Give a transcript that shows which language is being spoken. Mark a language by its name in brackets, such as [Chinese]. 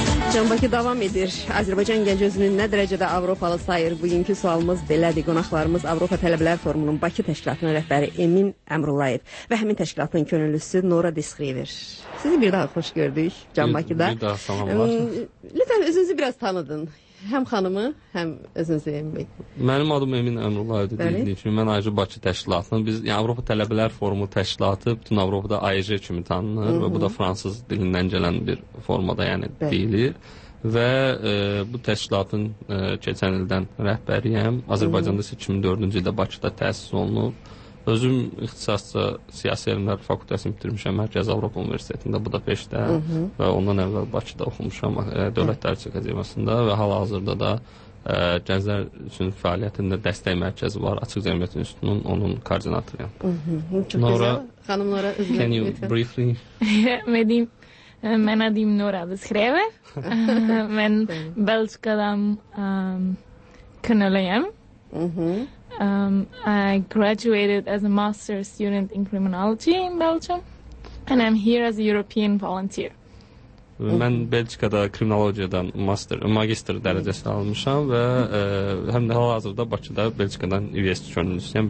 [Azerbaijani] Azərbaycan Bakı davam edir. Azərbaycan gənc özünü nə dərəcədə Avropalı sayır? Bugünkü sualımız belədir. Qonaqlarımız Avropa Tələbələr Forumunun Bakı təşkilatının rəhbəri Emin Əmrullayev və həmin təşkilatın könüllüsü Nora Disxriver. Sizi bir daha xoş gördük Can Bakıda. Bir daha salamlar. Lütfən özünüzü biraz tanıdın. Həm xanımı, həm özünüzü Emin Bey. Mənim adım Emin Əmrullayevdir deyildiyim üçün. Mən ayrıca Bakı təşkilatının, biz yəni, Avropa Tələbələr Forumu təşkilatı bütün Avropada AEJ kimi tanınır və bu da fransız dilindən gələn bir formada yəni deyilir. Və bu təşkilatın keçən ildən rəhbəriyəm. Azərbaycanda isə 2004-cü ildə Bakıda təsis olunub. Özüm ixtisasca siyasi elmlər fakültəsini bitirmişəm Mərkəz Avropa Universitetində, bu da Peşdə və ondan əvvəl Bakıda oxumuşam Dövlət Tarixi Akademiyasında və hal-hazırda da gənclər üçün fəaliyyətində dəstək mərkəzi var, Açıq Cəmiyyət İnstitutunun onun koordinatoriyam. Nora, xanım Nora, özür [Turkish] dilerim. [English] Can you [Turkish] lütfen [English] briefly? [Azerbaijani] Mən adım Nora Disxriver. Mən Belçikadan könüllüyəm. [English] I graduated as a master's student in criminology in Belgium and I'm here as a European volunteer. [Azerbaijani] Mən Belçikada kriminologiyadan magistr dərəcəsi almışam və həm də hal-hazırda Bakıda Belçikadan İVS könüllüsüyəm.